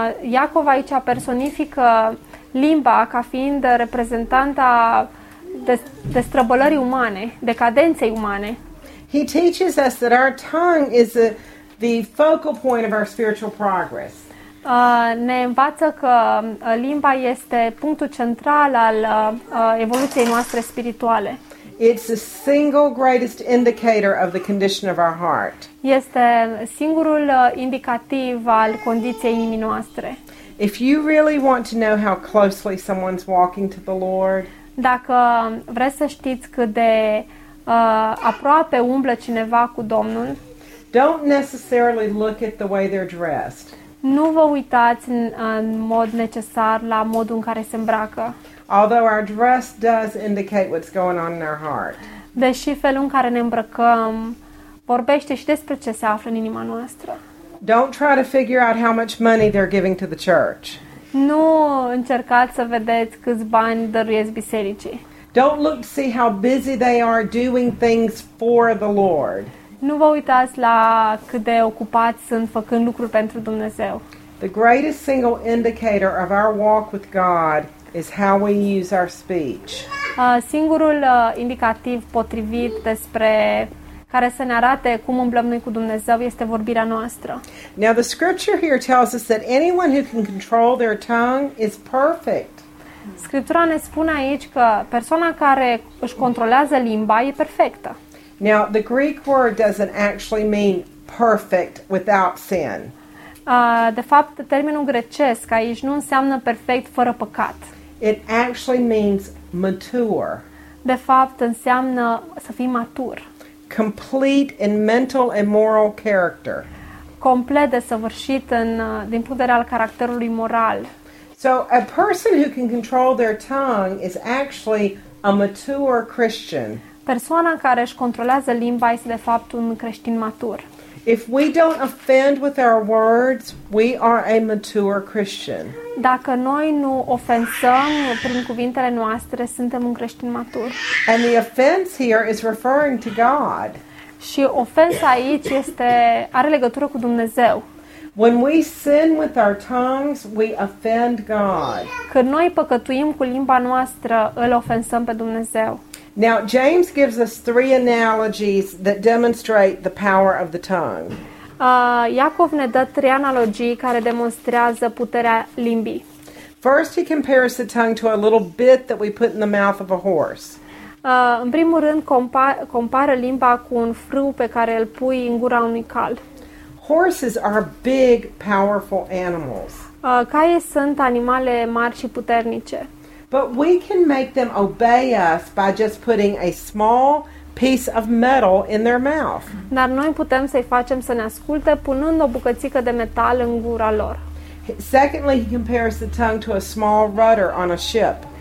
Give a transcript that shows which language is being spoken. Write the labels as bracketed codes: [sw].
[ro] Iacov aici personifică limba ca fiind reprezentanta destrăbălării umane, decadenței umane. [en] He teaches us that our tongue is the focal point of our spiritual progress. [ro] Ne învață că limba este punctul central al evoluției noastre spirituale. [en] It's the single greatest indicator of the condition of our heart. [ro] Este singurul indicativ al condiției inimii noastre. [en] If you really want to know how closely someone's walking to the Lord, [ro] dacă vreți să știți cât de aproape umblă cineva cu Domnul, [en] don't necessarily look at the way they're dressed. [ro] Nu vă uitați în mod necesar la modul în care se îmbracă. [en] Although our dress does indicate what's going on in our heart. [ro] Deși felul în care ne îmbrăcăm vorbește și despre ce se află în inima noastră. [en] Don't try to figure out how much money they're giving to the church. [ro] Nu încercați să vedeți câți bani dăruiesc bisericii. [en] Don't look to see how busy they are doing things for the Lord. [ro] Nu vă uitați la cât de ocupați sunt făcând lucruri pentru Dumnezeu. [en] The greatest single indicator of our walk with God is how we use our speech. [ro] Singurul indicativ potrivit despre care să ne arate cum umblăm noi cu Dumnezeu este vorbirea noastră. [en] Now the scripture here tells us that anyone who can control their tongue is perfect. [ro] Scriptura ne spune aici că persoana care își controlează limba e perfectă. [en] Now the Greek word doesn't actually mean perfect without sin. [ro] De fapt, termenul grecesc aici nu înseamnă perfect fără păcat. [en] It actually means mature. [ro] De fapt, înseamnă să fii matur. [en] Complete in mental and moral character. [ro] Complet desăvârșit din punct de vedere al caracterului moral. [en] So a person who can control their tongue is actually a mature Christian. [ro] Persoana care își controlează limba este de fapt un creștin matur. [en] If we don't offend with our words, we are a mature Christian. [ro] Dacă noi nu ofensăm prin cuvintele noastre, suntem un creștin matur. [en] And the offense here is referring to God. [ro] Și ofensa aici are legătură cu Dumnezeu. [en] When we sin with our tongues, we offend God. [ro] Când noi păcătuim cu limba noastră, îl ofensăm pe Dumnezeu. [en] Now James gives us three analogies that demonstrate the power of the tongue. [ro] Iacov ne dă trei analogii care demonstrează puterea limbii. [en] First he compares the tongue to a little bit that we put in the mouth of a horse. [ro] În primul rând compară limba cu un frâu pe care îl pui în gura unui cal. [en] Horses are big, powerful animals. [ro] Caii sunt animale mari și puternice. [en] But we can make them obey us by just putting a small piece of metal in their mouth. [ro] Dar noi putem să-i facem să ne asculte punând o bucățică de metal în gura lor. [en] Secondly, he compares the tongue to a small rudder on a ship.